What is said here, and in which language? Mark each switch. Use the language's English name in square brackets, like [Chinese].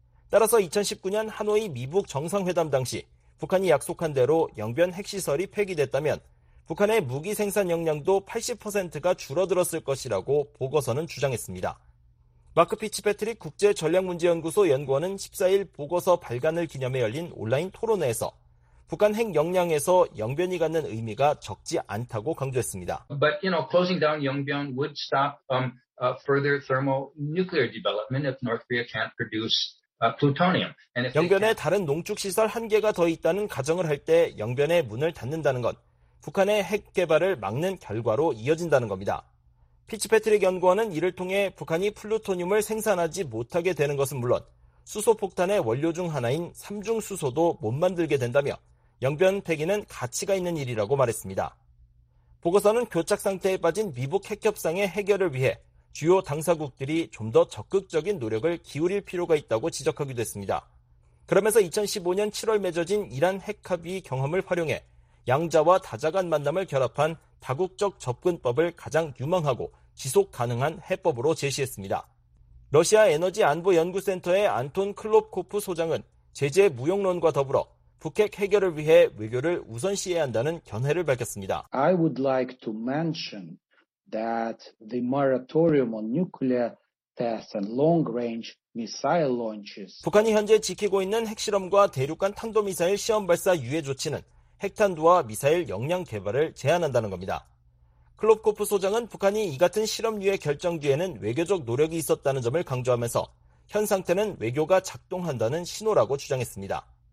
[Korean] 따라서 2019년 하노이 미북 정상회담 당시 북한이 약속한 대로 영변 핵시설이 폐기됐다면 북한의 무기 생산 역량도 80%가 줄어들었을 것이라고 보고서는 주장했습니다. 마크 피츠패트릭 국제전략문제연구소 연구원은 14일 보고서 발간을 기념해 열린 온라인 토론회에서 북한 핵 역량에서 영변이 갖는 의미가 적지 않다고 강조했습니다. [English] But you know, closing down Yongbyon would stop further thermonuclear development if North Korea can't produce plutonium. [Korean] 영변에 다른 농축 시설 한 개가 더 있다는 가정을 할 때 영변의 문을 닫는다는 건 북한의 핵 개발을 막는 결과로 이어진다는 겁니다. 피츠패트릭 연구원은 이를 통해 북한이 플루토늄을 생산하지 못하게 되는 것은 물론 수소폭탄의 원료 중 하나인 삼중수소도 못 만들게 된다며 영변 폐기는 가치가 있는 일이라고 말했습니다. 보고서는 교착상태에 빠진 미북 핵협상의 해결을 위해 주요 당사국들이 좀 더 적극적인 노력을 기울일 필요가 있다고 지적하기도 했습니다. 그러면서 2015년 7월 맺어진 이란 핵합의 경험을 활용해 양자와 다자 간 만남을 결합한 다국적 접근법을 가장 유망하고 지속 가능한 해법으로 제시했습니다. 러시아 에너지 안보 연구센터의 안톤 클롭코프 소장은 제재 무용론과 더불어 북핵 해결을 위해 외교를 우선시해야 한다는 견해를 밝혔습니다. [English] I would like to mention that the moratorium on nuclear tests and long-range missile launches. [Korean] 북한이 현재 지키고 있는 핵실험과 대륙간 탄도미사일 시험 발사 유예 조치는 핵탄두와 미사일 역량 개발을 제한한다는 겁니다. 클롭코프 소장은 북한이 이 같은 실험 유예 결정 뒤에는 외교적 노력이 있었다는 점을 강조하면서 현 상태는 외교가 작동한다는 신호라고 주장했습니다.